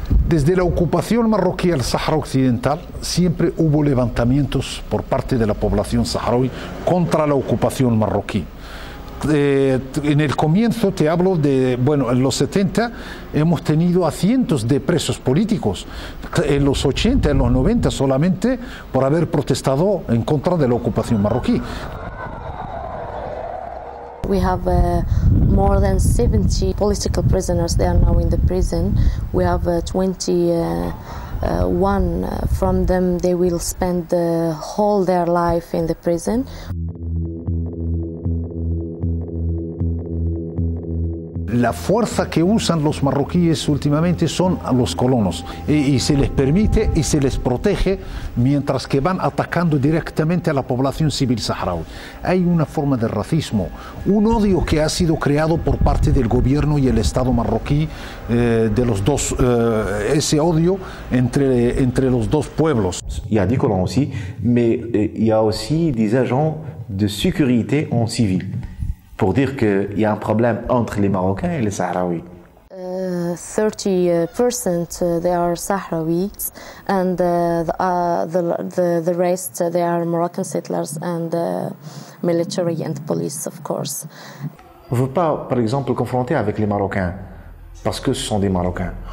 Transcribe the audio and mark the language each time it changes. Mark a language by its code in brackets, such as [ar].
[es] Desde la ocupación marroquí al Sahara Occidental, siempre hubo levantamientos por parte de la población saharaui contra la ocupación marroquí. En el comienzo te hablo de, bueno, en los 70 hemos tenido a cientos de presos políticos, en los 80, en los 90 solamente por haber protestado en contra de la ocupación marroquí. [en] We have more than 70 political prisoners, they are now in the prison. We have 20 one from them, they will spend the whole their life in the prison. [es] La fuerza que usan los marroquíes últimamente son a los colonos y se les permite y se les protege mientras que van atacando directamente a la población civil saharaui. Hay una forma de racismo, un odio que ha sido creado por parte del gobierno y el Estado marroquí, de los dos, ese odio entre los dos pueblos. Y a dicho también, [fr] mais y a aussi des agents de sécurité en civil. Pour dire qu'il y a un problème entre les Marocains et les Sahraouis. [en] 30% they are Sahraouis and the rest they are Moroccan settlers and military and police of course. [fr] On ne veut pas par exemple confronter avec les Marocains parce que ce sont des Marocains.